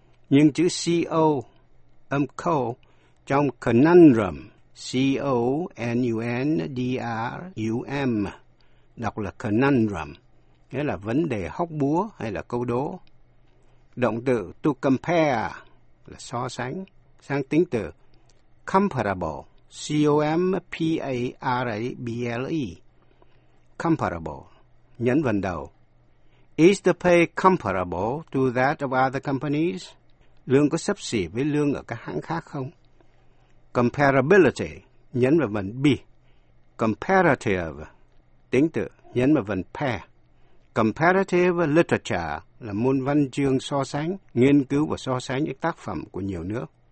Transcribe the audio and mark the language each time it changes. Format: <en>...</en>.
<vi>Nhưng chữ co, âm co trong conundrum, conundrum, đọc là conundrum, nghĩa là vấn đề hóc búa hay là câu đố. Động từ to compare là so sánh sang tính từ comparable, comparable, comparable, nhấn vần đầu.</vi> <en>Is the pay comparable to that of other companies?</en> <vi>Lương có xấp xỉ với lương ở các hãng khác không? Comparability, nhấn vào vần be. Comparative, tính từ, nhấn vào vần pair. Comparative literature là môn văn chương so sánh, nghiên cứu và so sánh những tác phẩm của nhiều nước.</vi>